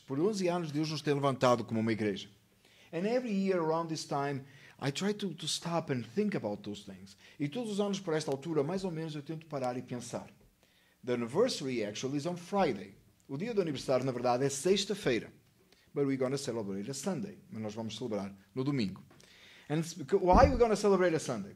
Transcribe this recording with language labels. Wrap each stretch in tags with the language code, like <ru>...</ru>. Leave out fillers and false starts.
<pt>Por 11 anos Deus nos tem levantado como uma igreja.</pt> <en>And every year around this time, I try to stop and think about those things.</en> <pt>E todos os anos, por esta altura, mais ou menos, eu tento parar e pensar.</pt> <en>The anniversary actually is on Friday.</en> <pt>O dia do aniversário, na verdade, é sexta-feira.</pt> <en>But we're going to celebrate a Sunday.</en> <pt>Mas nós vamos celebrar no domingo.</pt> <en>And why are we going to celebrate a Sunday?</en>